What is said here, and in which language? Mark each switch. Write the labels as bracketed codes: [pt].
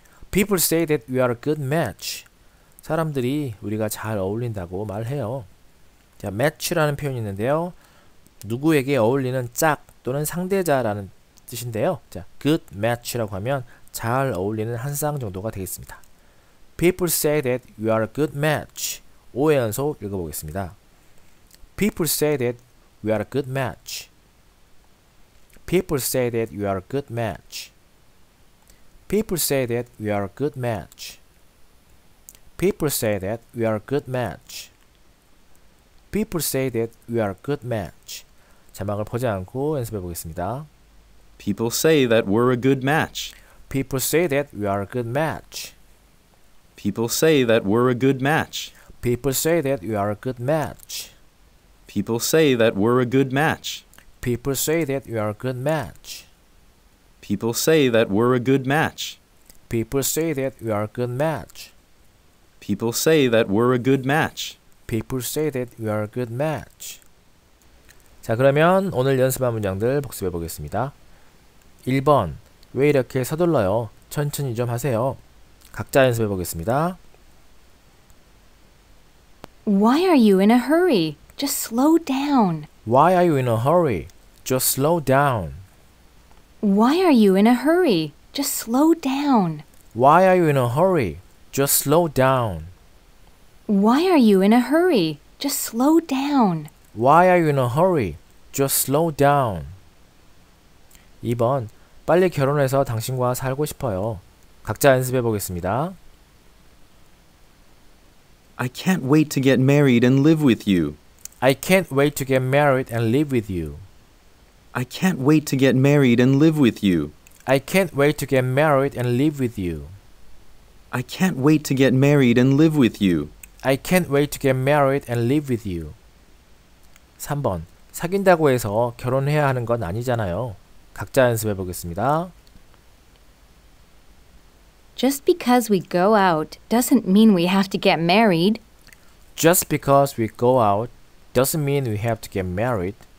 [en] People say that we are a good match. [ko] 사람들이 우리가 잘 어울린다고 말해요. 자, [en] match [ko] 라는 표현이 있는데요. 누구에게 어울리는 짝 또는 상대자라는 뜻인데요. 자, [en] good match [ko] 라고 하면 잘 어울리는 한 쌍 정도가 되겠습니다. [en] People say that we are a good match. [ko] 5회 연속 읽어보겠습니다. [en] People say that we are a good match. People say that we are a good match. People say that we are a good match. People say that we are a good match. People say that we are a good match. [ko] 자막을 보지 않고 연습해 보겠습니다. [en] People say that we're a good match. People say that we are a good match. People say that we're a good match. People say that we are a good match. People say that we're a good match. People say that we are a good match. People say that we're a good match. People say that we are a good match. People say that we're a good match. People say that we are a good match. [ko] 자, 그러면 오늘 연습한 문장들 복습해 보겠습니다. 1번. 왜 이렇게 서둘러요? 천천히 좀 하세요. 각자 연습해 보겠습니다. [en] Why are you in a hurry? Just slow down. Why are you in a hurry? Just slow down. Why are you in a hurry? Just slow down. Why are you in a hurry? Just slow down. Why are you in a hurry? Just slow down. Why are you in a hurry? Just slow down. [ko] 2번. 빨리 결혼해서 당신과 살고 싶어요. 각자 연습해 보겠습니다. [en] I can't wait to get married and live with you. I can't wait to get married and live with you. I can't wait to get married and live with you. I can't wait to get married and live with you. I can't wait to get married and live with you. I can't wait to get married and live with you. 3번. [ko] 사귄다고 해서 결혼해야 하는 건 아니잖아요. 각자 연습해 보겠습니다. [en] Just because we go out doesn't mean we have to get married. Just because we go out doesn't mean we have to get married.